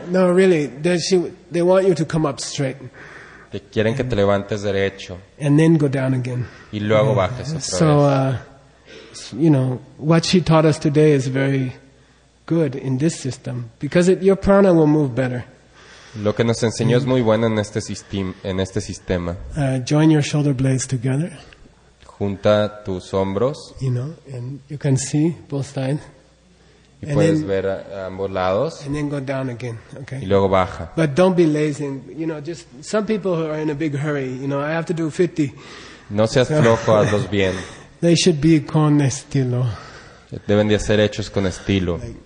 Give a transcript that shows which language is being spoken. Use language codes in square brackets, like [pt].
[en] No, really, they want you to come up straight. [es] Te quieren que te levantes derecho. [en] And then go down again. [es] Y luego bajes otra vez. [en] So, you know, what she taught us today is very good in this system because your prana will move better. [es] Lo que nos enseñó es muy bueno en este sistema. [en] Join your shoulder blades together. [es] Junta tus hombros. [en] You know, and you can see both sides. [es] Y puedes ver a ambos lados. [en] And then go down again, okay? [es] Y luego baja. [en] But don't be lazy. You know, just some people are in a big hurry. You know, I have to do 50. [es] No seas flojo, hazlos bien. [en] They should be [es] con estilo. Deben de ser hechos con estilo.